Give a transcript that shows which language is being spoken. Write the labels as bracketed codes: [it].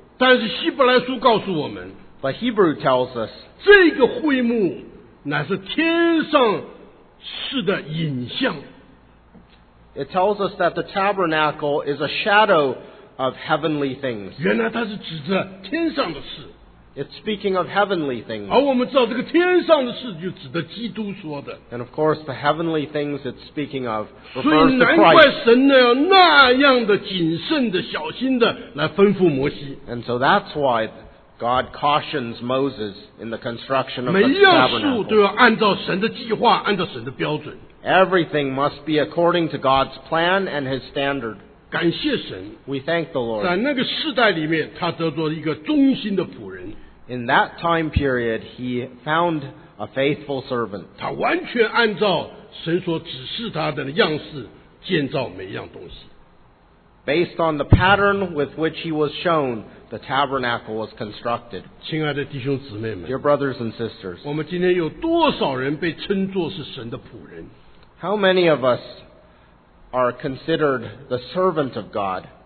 [zh] 但是希伯来书告诉我们 [en] ，But Hebrew tells us [zh] 这个会幕乃是天上事的影像。 [en] It tells us that the tabernacle is a shadow of heavenly things. [zh] 原来它是指着天上的事。 [en] It's speaking of heavenly things. [zh] 而我们知道这个天上的事就指的基督说的。 [en] And of course, the heavenly things it's speaking of refers to Christ. [zh] 所以难怪神呢要那样的谨慎的小心的来吩咐摩西。 [en] And so that's why God cautions Moses in the construction of the tabernacle. [zh] 每一样事物都要按照神的计划，按照神的标准。 [en] Everything must be according to God's plan and His standard. [zh] 感谢神。 [en] We thank the Lord. [zh] 在那个世代里面，他得做一个忠心的仆人。 [en] In that time period, he found a faithful servant. [zh] 他完全按照神所指示他的样式建造每一样东西。 [en] Based on the pattern with which he was shown, the tabernacle was constructed. [zh] 亲爱的弟兄姊妹们 [en] Dear brothers and sisters, [zh] 我们今天有多少人被称作是神的仆人 [en] How many of us are considered the servant of God?